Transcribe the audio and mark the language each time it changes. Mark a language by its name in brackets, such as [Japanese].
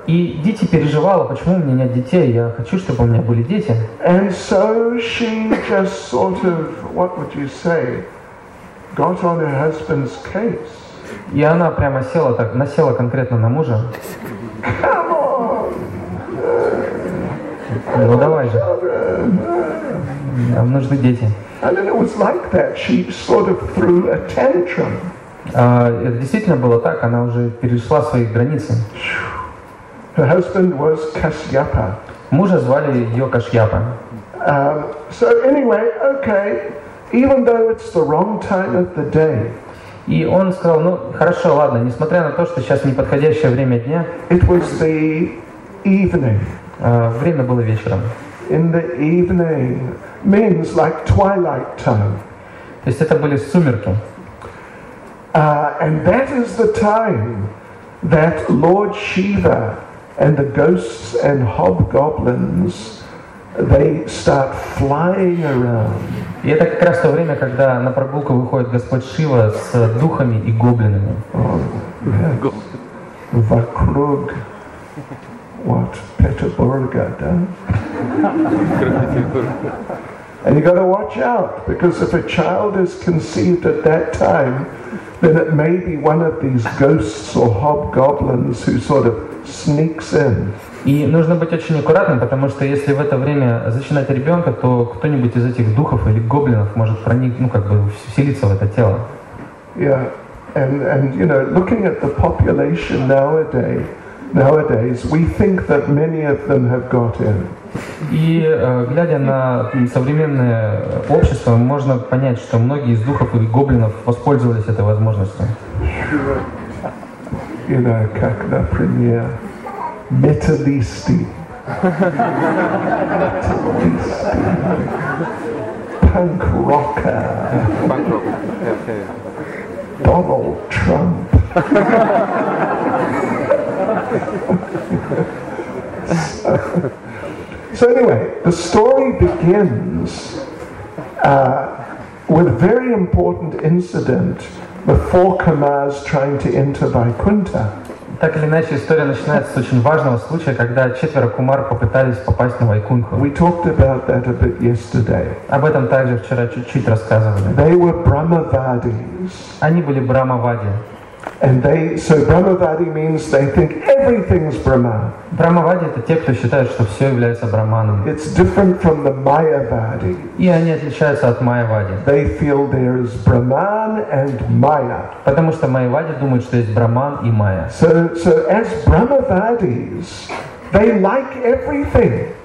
[Russian] И Дити переживала, почему у меня нет детей? Я хочу, чтобы у меня были дети. [English] And so she just sort of, what would you say, got on her husband's case. [Russian] И она прямо села так, насела конкретно на мужа. [English] Come on. [Russian] Ну давай же. Нам нужны дети. [English] And then it was like that. She sort of threw a tantrum. [Russian] Это действительно было так, она уже перешла свои границы. [English] Her husband was Kashyapa. [Russian] Мужа звали ее Кашьяпа. [English] So anyway, okay, even though it's the wrong time of the day. [Russian] И он сказал, ну хорошо, ладно, несмотря на то, что сейчас неподходящее время дня. [English] It was the evening. [Russian] Время было вечером. [English] In the evening means like twilight time. [Russian] То есть это были сумерки. [English] And that is the time that Lord Shiva and the ghosts and hobgoblins they start flying around. [Russian] И это как раз то время, когда на прогулку выходит Господь Шива с духами и гоблинами. Вокруг what Петербурга, да? [English] And you got to watch out because if a child is conceived at that time, then it may be one of these ghosts or hobgoblins who sort of sneaks in. [Russian] И нужно быть очень аккуратным, потому что если в это время зачинать ребенка, то кто-нибудь из этих духов или гоблинов может проникнуть, ну как бы вселиться в это тело. [English] Yeah, and you know, looking at the population nowadays, nowadays, we think that many of them have got in. [Russian] И глядя на современное общество, можно понять, что многие из духов и гоблинов воспользовались этой возможностью. [English] You know, [Russian] как, например, металлисты. Панк-рокер. Дональд Трамп. [English] So anyway, the story begins with a very important incident before Kumar's trying to enter Vaikuntha. [Russian] Так или иначе, история начинается с очень важного случая, когда четверо кумар попытались попасть на Вайкунху. [English] We talked about that a bit yesterday. [Russian] Об этом также вчера чуть-чуть рассказывали. [English] They were Brahmavadis. [Russian] Они были Брахмавади. [English] And they, so Brahmavadi means they think everything's Brahman. [Russian] Брахмавади — это те, кто считает, что все является Брахманом. [English] It's different from the Mayavadi. [Russian] И они отличаются от Майявади. [English] They feel there is Brahman and Maya. [Russian] Потому что Майявади думают, что есть Брахман и Майя. [English] So as Brahmavadis, they like everything.